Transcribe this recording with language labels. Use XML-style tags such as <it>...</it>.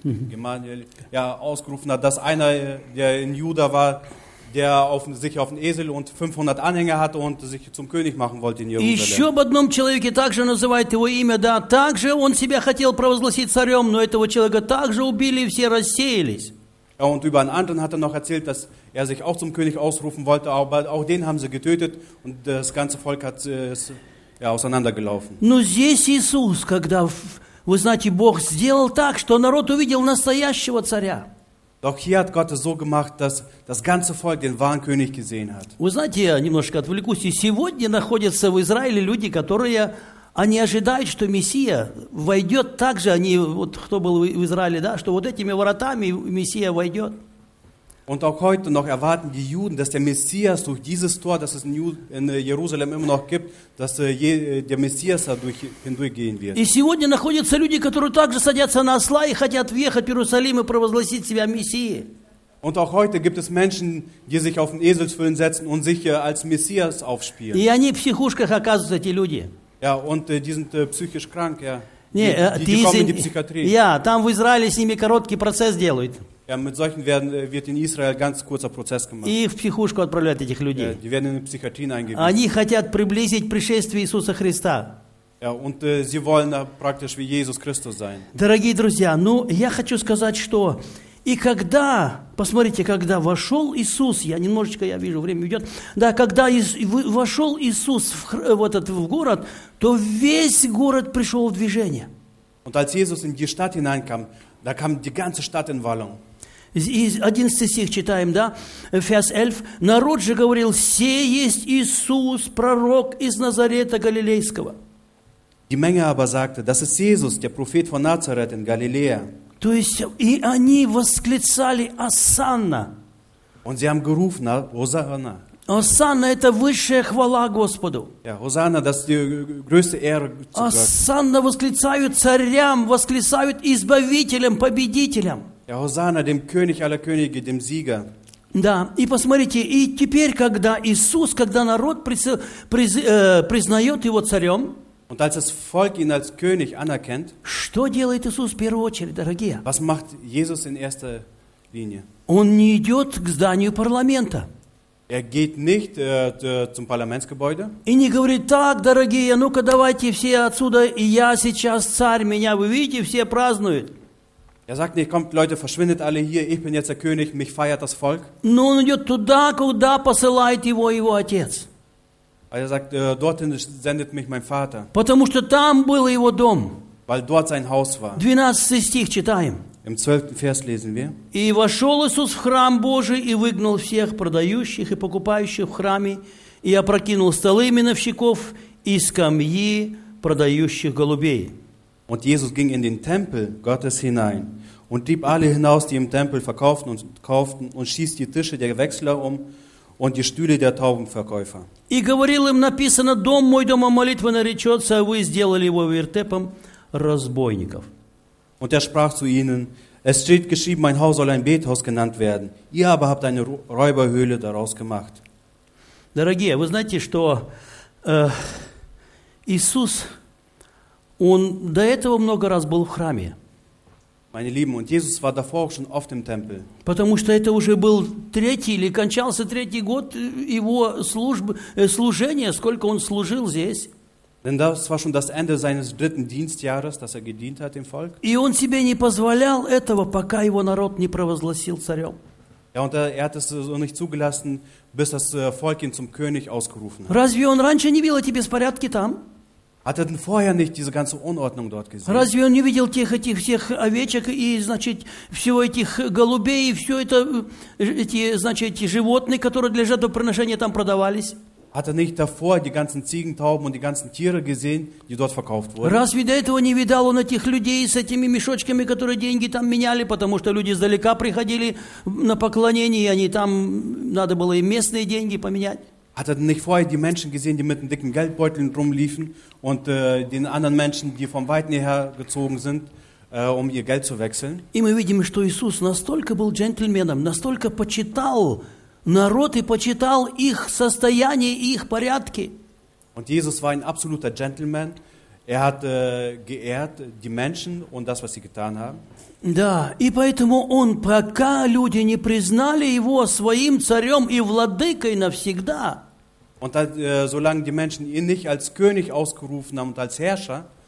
<de>Gamaliel, ja, ausgerufen hat, dass einer, der in Juda war, der sich auf den Esel und 500 Anhänger hatte und sich zum König machen wollte in Jerusalem.</de> <ru>Еще об одном человеке также называют его имя, да, также он себя хотел провозгласить царем, но этого человека также убили и все рассеялись.</ru> <de>Und über einen anderen hat er noch erzählt, dass sich auch zum König ausrufen wollte, aber auch den haben sie getötet und das ganze Volk hat auseinandergelaufen.</de> <ru>Но здесь Иисус, когда, вы знаете, Бог сделал так, что народ увидел настоящего царя.</ru> <de>Doch hier hat Gott es so gemacht, dass das ganze Volk den wahren König gesehen hat.</de> <ru>Вы знаете, я немножко отвлекусь. Сегодня находятся в Израиле люди, которые они ожидают, что Мессия войдет также. Они вот кто был в Израиле, да, что вот этими воротами Мессия войдет.</ru> <de>Und auch heute noch erwarten die Juden, dass der Messias durch dieses Tor, das es in Jerusalem immer noch gibt, dass der Messias dadurch hindurchgehen wird.</de> <ru>И сегодня находятся люди, которые также садятся на осла и хотят въехать в Иерусалим и провозгласить себя Мессией.</ru> <de>Und auch heute gibt es Menschen, die sich auf den Eselsfüllen setzen und sich als Messias aufspielen.</de> <ru>И они в психушках оказываются, эти люди.</ru> <de>Ja, und die sind psychisch krank, ja. Nee, die kommen in die Psychiatrie.</de> <ru>Ja, там в Израиле с ними короткий процесс делают.</ru> <de>Ja, mit solchen wird in Israel ganz kurzer Prozess gemacht.</de> <ru>Их в психушку отправляют этих людей.</ru> <de>Ja, die werden in Psychiatrien eingewiesen.</de> <ru>Они хотят приблизить пришествие Иисуса Христа.</ru> <de>Ja, und sie wollen praktisch wie Jesus Christus sein.</de> <ru>Дорогие друзья, ну, я хочу сказать, что и когда, посмотрите, когда вошел Иисус, я немножечко, я вижу, время идет, да, когда вошел Иисус в город, то весь город пришел в движение.</ru> <de>Und als Jesus in die Stadt hineinkam, da kam die ganze Stadt in Wallung.</de> <ru>11 стих читаем, да?</ru> <de>Vers 11.</de> <ru>Народ же говорил, «Се есть Иисус, пророк из Назарета Галилейского».</ru> <de>Die Menge aber sagte, das ist Jesus, der Prophet von Nazareth in Galiläa.</de> <ru>То есть, и они восклицали «Осанна».</ru> <de>Und sie haben gerufen, «Осанна».</de> <ru>«Осанна» – это высшая хвала Господу.</ru> <de>Ja, «Осанна» – das ist die größte Ehre.</de> <ru>«Осанна» восклицают царям, восклицают избавителям, победителям.</ru> <de>Ja, Hosanna, dem König aller Könige, dem Sieger.</de> <ru>Да, и посмотрите, и теперь, когда Иисус, когда народ признает его царем,</ru> <de>und als das Volk ihn als König anerkennt,</de> <ru>что делает Иисус в первую очередь, дорогие?</ru> <de>Was macht Jesus in erster Linie?</de> <ru>Он не идет к зданию парламента.</ru> <de>Geht nicht zum Parlamentsgebäude.</de> <ru>И не говорит, так, дорогие, ну-ка давайте все отсюда, и я сейчас царь, меня вы видите, все празднуют.</ru> <de>Sagt nicht, kommt Leute, verschwindet alle hier, ich bin jetzt der König, mich feiert das Volk.</de> <ru>Но он идет туда, куда посылает его его отец.</ru> <de>Sagt, dorthin sendet mich mein Vater.</de> <ru>Потому что там был его дом.</ru> <de>Weil dort sein Haus war.</de> <ru>12 стих читаем.</ru> <de>Im 12. Vers lesen wir.</de> <ru>И вошел Иисус в храм Божий и выгнал всех продающих и покупающих в храме, и опрокинул столы миновщиков и скамьи продающих голубей.</ru> <de>Und Jesus ging in den Tempel Gottes hinein und trieb alle hinaus, die im Tempel verkauften und kauften, und schieß die Tische der Wechsler und die Stühle der Taubenverkäufer.</de> <ru>И говорил им написано, дом мой дома молитвы наречется, а вы сделали его вертепом разбойников.</ru> <de>Und er sprach zu ihnen, es steht geschrieben, mein Haus soll ein Bethaus genannt werden, ihr aber habt eine Räuberhöhle daraus gemacht.</de> <ru>Дорогие, вы знаете, что Иисус... Он до этого много раз был в храме.</ru> <de>Meine Lieben, und Jesus war davor auch schon oft im Tempel.</de> <ru>Потому что это уже был третий или кончался третий год его службы, служения, сколько он служил здесь.</ru> <de>Denn das war schon das Ende seines dritten Dienstjahres, dass gedient hat im Volk.</de> <ru>И он себе не позволял этого, пока его народ не провозгласил царем.</ru> <de>Ja, und hat es so nicht zugelassen, bis das Volk ihn zum König ausgerufen hat.</de> <ru>Разве он раньше не видел эти беспорядки там?</ru> <de>Hat er denn vorher nicht diese ganze Unordnung dort gesehen?</de> <ru>Разве он не видел тех этих всех овечек и, значит, всего этих голубей и все это эти, значит, животные, которые для жертвоприношения там продавались?</ru> <de>Hat er nicht davor die ganzen Ziegentauben und die ganzen Tiere gesehen, die dort verkauft wurden?</de> <ru>Разве до этого не видал он этих людей с этими мешочками, которые деньги там меняли, потому что люди издалека приходили на поклонение, и они там надо было и местные деньги поменять?</ru> <de>Hat er denn nicht vorher die Menschen gesehen, die mit den dicken Geldbeuteln rumliefen und den anderen Menschen, die vom Weiten her gezogen sind, um ihr Geld zu wechseln?</de> <ru>И мы видим, что Иисус настолько был джентльменом, настолько почитал народ и почитал их состояние и их порядки.</ru> <de>Und Jesus war ein absoluter Gentleman. Er hat geehrt die Menschen und das, was sie getan haben.</de> <ru>Да, и поэтому он, пока люди не признали его своим царем и владыкой навсегда.</ru> <de>Und solange die Menschen ihn nicht als König ausgerufen haben und als Herrscher.</de>